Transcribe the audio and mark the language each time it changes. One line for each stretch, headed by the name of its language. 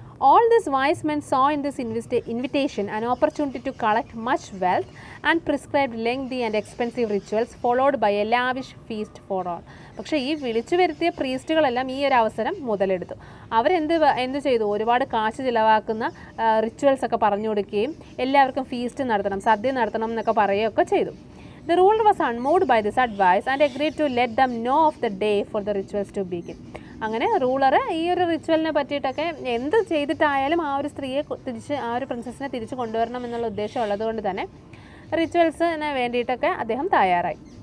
English: All this wise men saw in this invitation an opportunity to collect much wealth and prescribed lengthy and expensive rituals followed by a lavish feast for all.
Malayalam: പക്ഷേ ഈ വിളിച്ചു വരുത്തിയ പ്രീസ്റ്റുകളെല്ലാം ഈ ഒരു അവസരം മുതലെടുത്തു. അവരെന്ത് എന്ത് ചെയ്തു, ഒരുപാട് കാശ് ചിലവാക്കുന്ന റിച്വൽസ് ഒക്കെ പറഞ്ഞു കൊടുക്കുകയും എല്ലാവർക്കും ഫീസ്റ്റ് നടത്തണം, സദ്യ നടത്തണം എന്നൊക്കെ പറയുകയൊക്കെ ചെയ്തു.
English: The ruler was unmoved by this advice and agreed to let them know of the day for the rituals to begin.
Malayalam: അങ്ങനെ റൂളർ ഈ ഒരു റിച്വലിനെ പറ്റിയിട്ടൊക്കെ എന്ത് ചെയ്തിട്ടായാലും ആ ഒരു സ്ത്രീയെ തിരിച്ച്, ആ ഒരു പ്രിൻസസ്സിനെ തിരിച്ച് കൊണ്ടുവരണം എന്നുള്ള ഉദ്ദേശം ഉള്ളത് കൊണ്ട് തന്നെ റിച്വൽസിന് വേണ്ടിയിട്ടൊക്കെ അദ്ദേഹം തയ്യാറായി.